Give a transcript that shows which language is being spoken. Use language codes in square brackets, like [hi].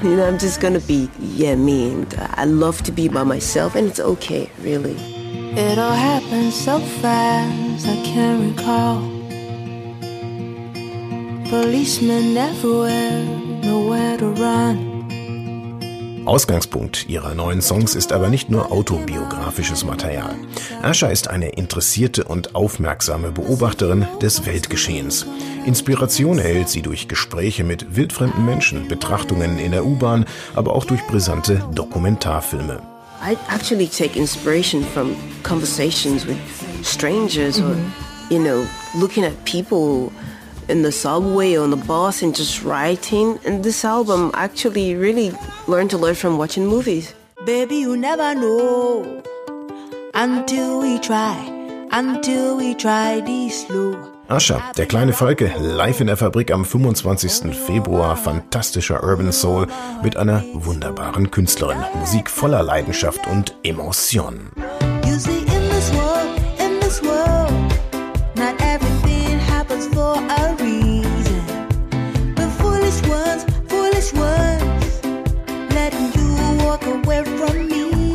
[en] You know, I'm just going to be, yeah, me. And I love to be by myself, and it's okay, really. It all happened so fast, I can't recall. Policemen everywhere, nowhere to run. [de] Ausgangspunkt ihrer neuen Songs ist aber nicht nur autobiografisches Material. Asha ist eine interessierte und aufmerksame Beobachterin des Weltgeschehens. Inspiration erhält sie durch Gespräche mit wildfremden Menschen, Betrachtungen in der U-Bahn, aber auch durch brisante Dokumentarfilme. [en] I actually take inspiration from conversations with strangers or, you know, looking at people in the subway or on the bus and just writing. And this album actually really learned a lot from watching movies. Baby, you never know until we try this slow. [de] Asha, der kleine Falke, live in der Fabrik am 25. Februar, fantastischer Urban Soul mit einer wunderbaren Künstlerin, Musik voller Leidenschaft und Emotion. [en] You see, in this world, not everything happens for a reason. The foolish ones, letting you walk away from you.